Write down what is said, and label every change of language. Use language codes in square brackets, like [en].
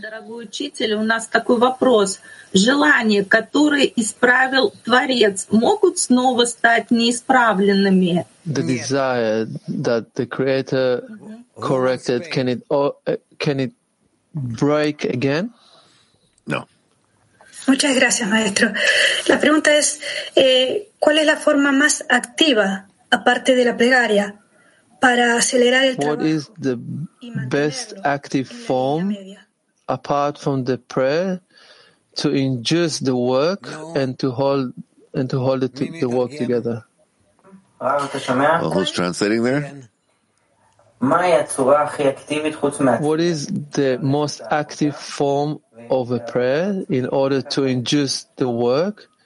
[ru] Дорогой учитель, у нас такой вопрос. Желания, которые исправил Творец, могут снова стать неисправленными? The Нет. [en] Desire that the Creator corrected, can it break again? No. [es] Muchas gracias, maestro. La pregunta es, ¿cuál es la forma más activa, aparte de la plegaria, para acelerar el [en] What [es] trabajo [en] is the best active form, apart from the prayer, to induce the work and to hold the work together? Well, who's translating there? What is the most active form of a prayer in order to induce the work?